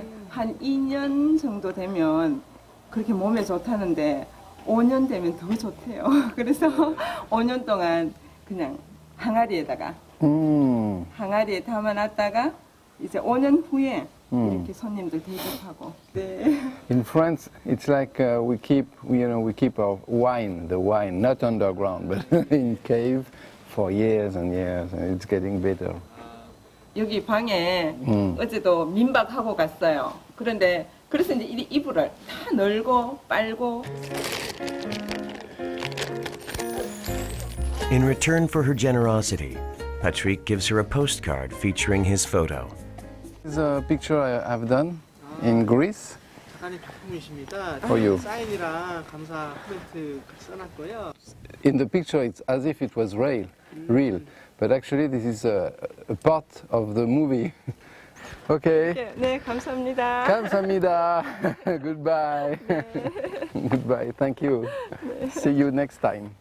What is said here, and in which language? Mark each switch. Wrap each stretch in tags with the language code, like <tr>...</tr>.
<ko>예, 한 2년 정도 되면 그렇게 몸에 좋다는데 5년 되면 더 좋대요. 그래서 5년 동안 그냥 항아리에다가 항아리에 담아놨다가 이제 5년 후에 이렇게 손님들 대접하고. 네.</ko> <en>In France, it's like we keep our wine, the wine, not underground, but in cave for years and years, and it's getting bitter.</en> <ko>여기 방에 어제도 민박하고 갔어요. 그런데 그래서 이제 이불을 다 널고 빨고.</ko> <en>In return for her generosity, Patrick gives her a postcard featuring his photo. This is a picture I have done in Greece.</en> <ko>많이 작품이십니다.</ko> <en>For you.</en> <ko>사인이랑 감사 코멘트 써놨고요.</ko> <en>In the picture, it's as if it was real, real. But actually, this is a part of the movie. Okay.</en> <ko>네, 감사합니다. 감사합니다.</ko> <en>Goodbye.</en> <ko>네.</ko> <en>Goodbye. Thank you.</en> <ko>네.</ko> <en>See you next time.</en>